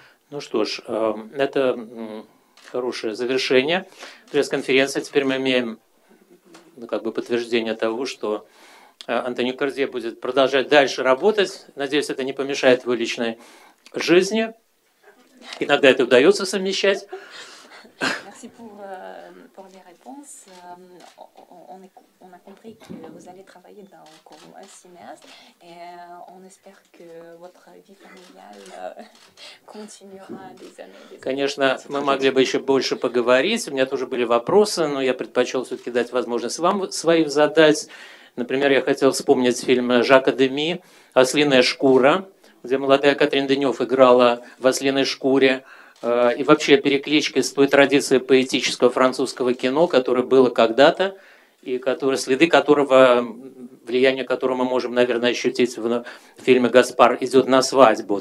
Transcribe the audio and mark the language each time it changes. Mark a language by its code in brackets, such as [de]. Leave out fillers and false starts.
[ru] Ну что ж, это хорошее завершение пресс-конференции. Теперь мы имеем подтверждение того, что Антони Кордье будет продолжать дальше работать. Надеюсь, это не помешает его личной жизни. Иногда это удается совмещать. [fr] Merci pour les réponses. On a compris que vous allez travailler comme un cinéaste et on espère que votre vie familiale continuera des années. [ru] Конечно, мы могли бы еще больше поговорить. У меня тоже были вопросы, но я предпочел все-таки дать возможность вам своих задать. Например, я хотел вспомнить фильм Жака Деми «Ослиная шкура», где молодая Катрин Денёв играла в «Ослиной шкуре». И вообще перекличка с той традицией поэтического французского кино, которое было когда-то, и следы которого, влияние которого мы можем, наверное, ощутить в фильме «Гаспар идет на свадьбу».